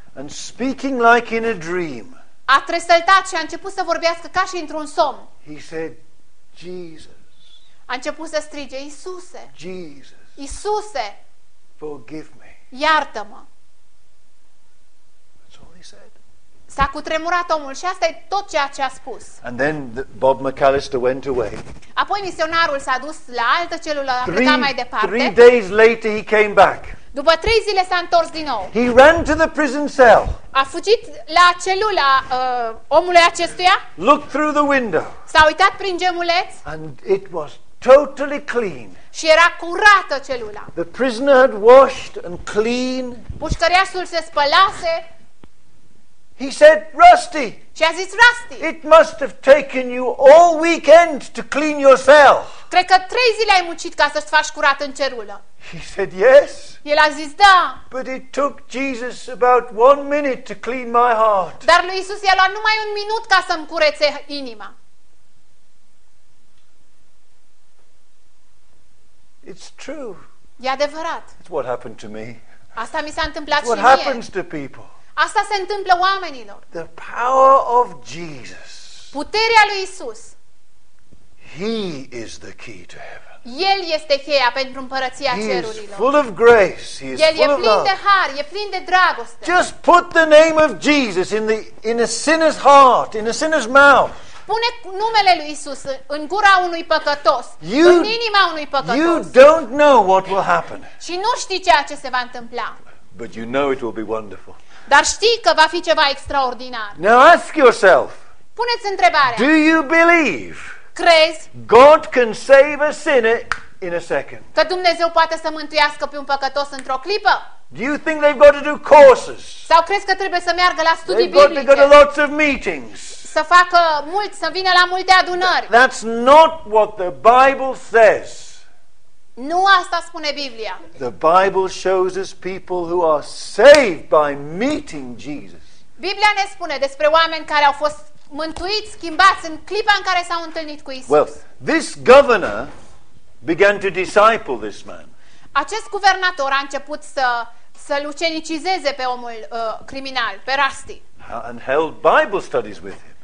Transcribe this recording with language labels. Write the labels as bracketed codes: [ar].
[en] And speaking like in a dream. [ro] A tresăltat și a început să vorbească ca și într-un somn. [en] He said, Jesus. [ro] A început să strige, Iisuse. [en] Jesus. [ro] Iisuse. [en] Forgive me. [ro] Iartă-mă. [en] That's all he said. [ro] S-a cutremurat omul și asta e tot ceea ce a spus. [en] And then Bob McAllister went away. [ro] Apoi misionarul s-a dus la altă celulă, a mai departe. [en] 3 days later he came back. [ro] După 3 zile s-a întors din nou. [en] He ran to the prison cell. [ro] A fugit la celula omului acestuia. [en] Looked through the window. [ro] S-a uitat prin gemuleț. [en] And it was totally clean. [ro] Și era curată celula. [en] The prisoner had washed and clean. [ro] Pușcăriașul se spălase. [en] He said, Rusty. [ro] Și a zis, Rusty. [en] It must have taken you all weekend to clean your cell. [ro] Cred că 3 zile ai muncit ca să-ți faci curat în celulă. [en] He said, yes. [ro] El a zis, da. [en] But it took Jesus about 1 minute to clean my heart. [ro] Dar lui Iisus i-a luat numai un minut ca să-mi curețe inima. [en] It's true. [ro] E adevărat. [en] It's what happened to me. [ro] Asta mi s-a întâmplat și mie. [en] What happens to people. [ro] Asta se întâmplă oamenilor. [en] The power of Jesus. [ro] Puterea lui Iisus. [en] He is the key to heaven. [ro] El este cheia pentru împărăția [en] he [ro] cerurilor. [en] Is full of grace. He is [ro] El [en] full [ro] e plin [en] of love. [ro] De har, e plin de dragoste. [en] Just put the name of Jesus in a sinner's heart, in a sinner's mouth. [ro] Pune numele lui Isus în gura unui păcătos, [en] you, [ro] în inima unui păcătos. [en] You don't know what will happen. [ro] Și nu știi ceea ce se va întâmpla. [en] But you know it will be wonderful. [ro] Dar știi că va fi ceva extraordinar. [en] Now ask yourself. [ro] Puneți întrebarea. [en] Do you believe? [ro] Crezi? [en] God can save a sinner in a second. [ro] Că Dumnezeu poate să mântuiască pe un păcătos într-o clipă? [en] Do you think they've got to do courses? [ro] Sau crezi că trebuie să meargă la studii biblice? [en] They've got to go to lots of meetings. [ro] Să facă mult, să vină la multe adunări. [en] That's not what the Bible says. [ro] Nu asta spune Biblia. [en] The Bible shows us people who are saved by meeting Jesus. [ro] Biblia ne spune despre oameni care au fost mântuiți, schimbați în clipa în care s-au întâlnit cu Isus. [en] Well, this governor began to disciple this man. [ro] Acest guvernator a început să-l ucenicizeze pe omul criminal, pe Rusty. [en] And held Bible studies with him.